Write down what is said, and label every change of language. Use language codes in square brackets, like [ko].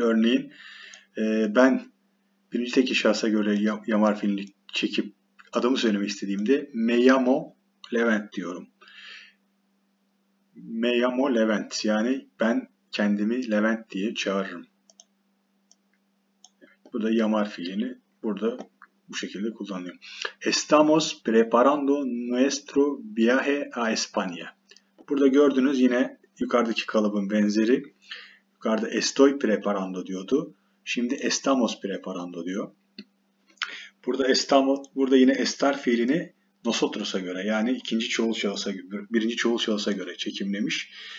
[tr] Örneğin ben birinci tekil şahısa göre yamar fiilini çekip adımı söylemek istediğimde [es] me llamo Levent [tr] diyorum. [es] Me llamo Levent. [tr] Yani ben kendimi Levent diye çağırırım. Bu da yamar fiilini burada bu şekilde kullanıyorum. [es] Estamos preparando nuestro viaje a España. [tr] Burada gördüğünüz yine yukarıdaki kalıbın benzeri. Yukarıda [es] estoy preparando [tr] diyordu. Şimdi [es] estamos preparando [tr] diyor. Burada estamos, burada yine estar fiilini nosotros'a göre yani ikinci çoğul şahısa göre, birinci çoğul şahısa göre çekimlemiş.